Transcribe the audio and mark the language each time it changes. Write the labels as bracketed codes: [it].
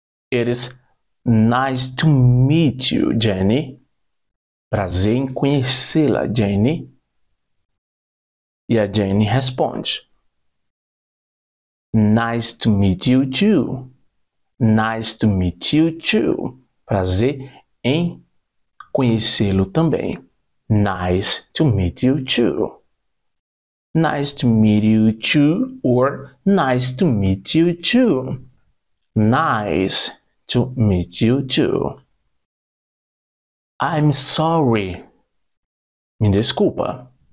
[en] It is nice to meet you, Jenny. [pt] Prazer em conhecê-la, Jenny. E a Jenny responde: [en] Nice to meet you too. Nice to meet you too. [pt] Prazer em conhecê-lo também. [en] Nice to meet you too. Nice to meet you too, or nice to meet you too. Nice to meet you too. I'm sorry. [pt] Me desculpa.